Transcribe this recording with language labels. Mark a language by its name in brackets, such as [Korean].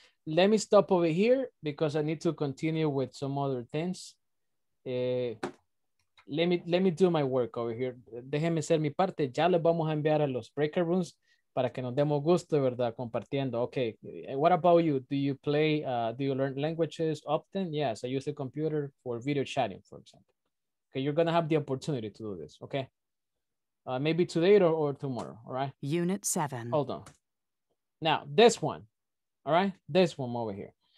[English] Let me stop over here because I need to continue with some other things. Let me do my work over here. [Spanish] Déjeme hacer mi parte. Ya les vamos a enviar a los breaker rooms para que nos demos gusto, ¿verdad? Compartiendo. [English] Okay, what about you? Do you play, do you learn languages often? Yes, I use the computer for video chatting, for example. Okay, you're going to have the opportunity to do this, okay? Maybe today or tomorrow, all right? Unit 7. Hold on. Now, this one. All right, this one over here.